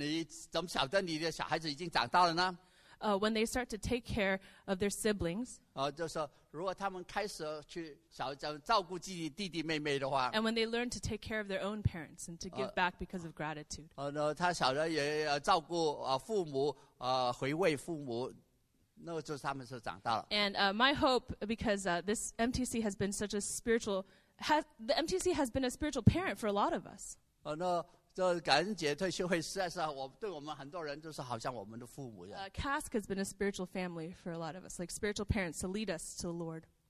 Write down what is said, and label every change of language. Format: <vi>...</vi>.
<zh>我妈妈想说，你怎么晓得你的小孩子已经长大了呢？</zh> <en>When they start to take care of their siblings.</en> <zh>就是说，如果他们开始去照顾自己弟弟妹妹的话。</zh> <en>And when they learn to take care of their own parents and to give back because of gratitude.</en> <zh>他晓得也照顾父母，回馈父母。那就是他们是长大了。</zh> <en>And my hope, because this MTC has been such a spiritual, the MTC has been a spiritual parent for a lot of us.</en> <zh>这感恩节退休会实在是我对我们很多人就是好像我们的父母一样。</zh> <en>CASC has been a spiritual family for a lot of us, like spiritual parents to lead us to the Lord.</en>